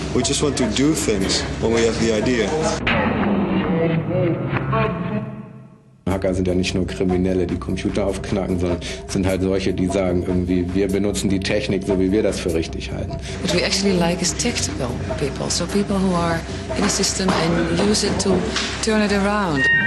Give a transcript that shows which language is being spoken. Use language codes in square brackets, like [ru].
[en] We just want to do things when we have the idea. [de] Hacker sind ja nicht nur Kriminelle, die Computer aufknacken, sondern sind halt solche, die sagen irgendwie, wir benutzen die Technik so, wie wir das für richtig halten. [en] What we actually like is technical people, so people who are in a system and use it to turn it around.